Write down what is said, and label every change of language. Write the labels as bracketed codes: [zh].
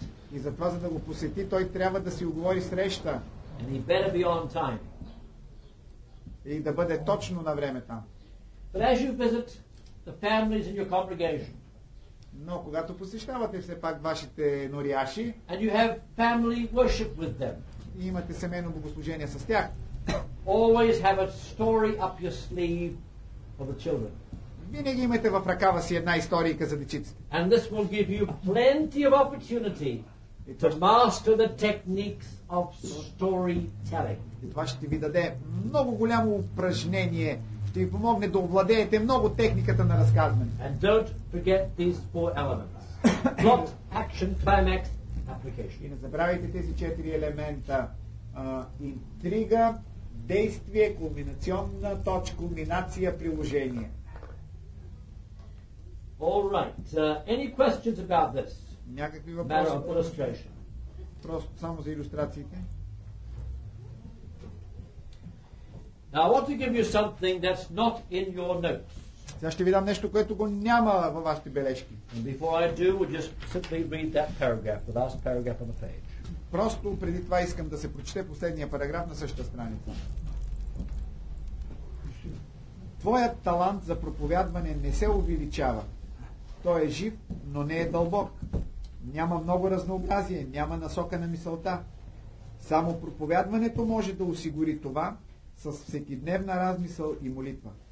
[bg] И затова, за да го посети, той трябва да си уговори среща. [en] And he better be on time. [bg] И да бъде точно на време там. [en] But as you visit the families in your congregation, [bg] но когато посещавате все пак вашите нориаши, [en] and you have family worship with them, [bg] и имате семейно богослужение с тях, [en] always have a story up your sleeve for the children. [bg] Винаги имате в ръкава си една историйка за дечиците. [en] And this will give you plenty of opportunity to master the techniques of storytelling. [bg] И това ще ви даде много голямо упражнение, ще ви помогне да овладеете много техниката на разказване. [en] And don't forget these four elements. Plot, action, climax, application. [bg] И не забравяйте тези четири елемента. Интрига, действие, кулминационна точка, кулминация, приложение. [en] All right. Any questions about this? [bg] Някакви въпроси? [en] Matter of illustration. [bg] Просто само за илюстрациите. [en] Now I want to give you something that's not in your notes. [bg] Сега ще ви дам нещо, което го няма във вашите бележки. [en] And before I do, we'll just simply read that paragraph, the last paragraph on the page. [bg] Просто преди това искам да се прочете последния параграф на същата страница. Твоят талант за проповядване не се увеличава. Той е жив, но не е дълбок. Няма много разнообразие, няма насока на мисълта. Само проповядването може да осигури това с всекидневна размисъл и молитва.